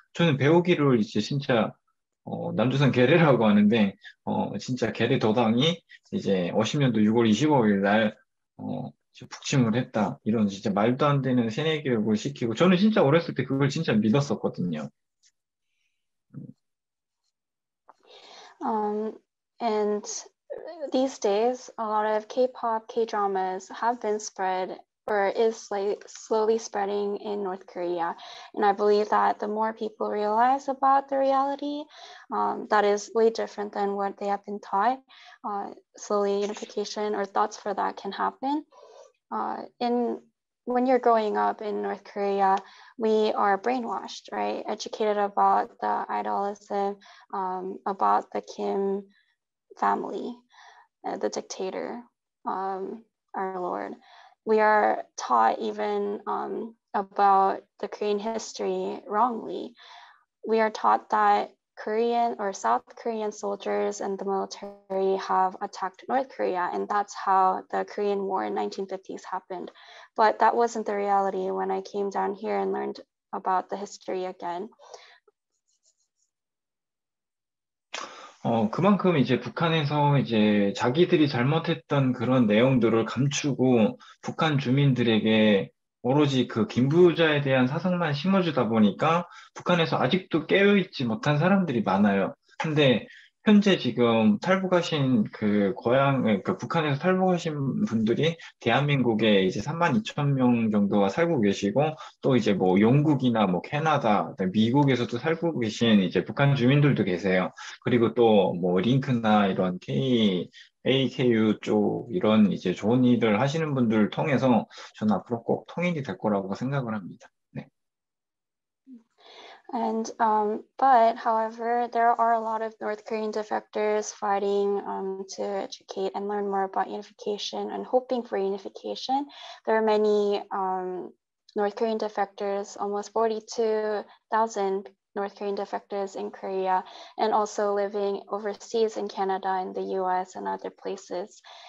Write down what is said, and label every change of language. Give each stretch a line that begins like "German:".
Korean: 저는 배우기를 이제 진짜 남조선 개례라고 하는데 진짜 개례 도당이 이제 50년도 6월 25일 날 북침을 했다. 이런 진짜 말도 안 되는 세뇌 교육을 시키고 저는 진짜 어렸을 때 그걸 진짜 믿었었거든요.
English: And these days a lot of K-pop, K-dramas have been spread or is slowly spreading in North Korea. And I believe that the more people realize about the reality that is way different than what they have been taught, slowly unification or thoughts for that can happen. When you're growing up in North Korea, we are brainwashed, right? Educated about the idolism, about the Kim family, the dictator, our Lord. We are taught even about the Korean history wrongly. We are taught that Korean or South Korean soldiers and the military have attacked North Korea, and that's how the Korean War in 1950s happened. But that wasn't the reality when I came down here and learned about the history again.
Korean: 그만큼 이제 북한에서 이제 자기들이 잘못했던 그런 내용들을 감추고 북한 주민들에게 오로지 그 김부자에 대한 사상만 심어주다 보니까 북한에서 아직도 깨어있지 못한 사람들이 많아요. 근데 현재 지금 탈북하신 그 고향, 그 북한에서 탈북하신 분들이 대한민국에 이제 3만 2천 명 정도가 살고 계시고 또 이제 뭐 영국이나 뭐 캐나다, 미국에서도 살고 계신 이제 북한 주민들도 계세요. 그리고 또 뭐 링크나 이런 K, AKU 쪽 이런 이제 좋은 일을 하시는 분들을 통해서 저는 앞으로 꼭 통일이 될 거라고 생각을 합니다.
English: And but however, there are a lot of North Korean defectors fighting to educate and learn more about unification and hoping for unification. There are many North Korean defectors, almost 42,000 North Korean defectors in Korea, and also living overseas in Canada, in the US, and other places.